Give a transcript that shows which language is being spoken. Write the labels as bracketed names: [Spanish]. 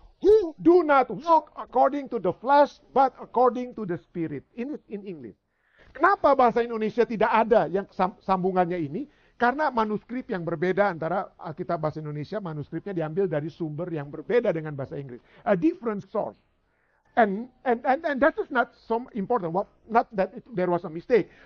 [English] Who do not walk according to the flesh, but according to the spirit. [Indonesian] Ini [English] in English. [Indonesian] Kenapa bahasa Indonesia tidak ada yang sambungannya ini? Karena manuskrip yang berbeda antara Alkitab Bahasa Indonesia, manuskripnya diambil dari sumber yang berbeda dengan bahasa Inggris. [English] A different source. And that is not so important. Well, not that there was a mistake.